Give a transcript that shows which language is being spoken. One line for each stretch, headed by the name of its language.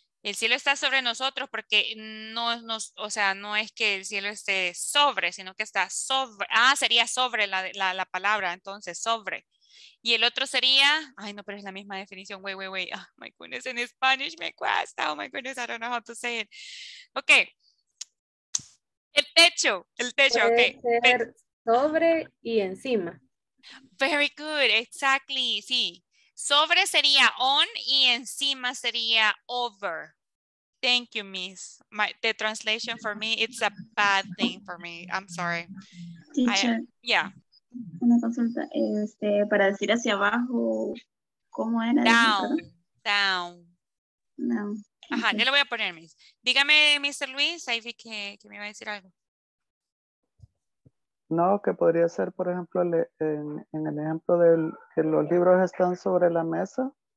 Spanish: El cielo está sobre nosotros porque no nos, o sea, no es que el cielo esté sobre, sino que está sobre. Ah, sería sobre la palabra, entonces sobre. Y el otro sería, ay no, pero es la misma definición.
English: Wait, wait, wait. Oh my goodness, in Spanish
Spanish: me cuesta.
English: Oh my goodness, I don't know how to say it.
Spanish: Ok. El techo, ok. Sobre y encima.
English: Very good, exactly, sí.
Spanish: Sobre sería on y encima sería over.
English: Thank you, miss. The translation for me, it's a bad thing for me. I'm sorry. Teacher. Yeah.
Spanish: Una consulta, para decir hacia abajo, ¿cómo era?
English: Down, down. No.
Spanish: Ajá, okay. Ya lo voy a poner, miss. Dígame, Mr. Luis, ahí vi que me iba a decir algo. No, que podría ser, por ejemplo, en el ejemplo de que los libros están sobre la mesa.